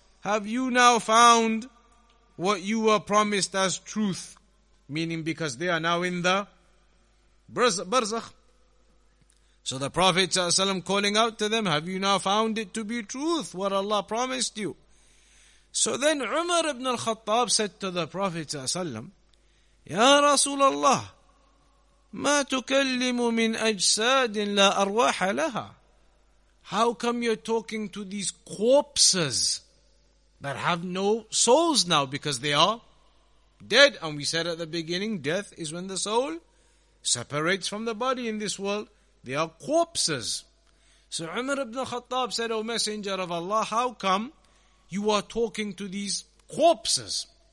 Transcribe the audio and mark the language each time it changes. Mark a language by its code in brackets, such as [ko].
[en] Have you now found what you were promised as truth? Meaning because they are now in the barzakh. So the Prophet ﷺ calling out to them, have you now found it to be truth what Allah promised you? So then Umar ibn al-Khattab said to the Prophet ﷺ, [ar] يا رسول الله ما تكلم من أجساد لا أرواح لها. [en] How come you're talking to these corpses that have no souls now because they are dead? And we said at the beginning, death is when the soul separates from the body in this world. They are corpses. So Umar ibn Khattab said, O Messenger of Allah, how come you are talking to these corpses?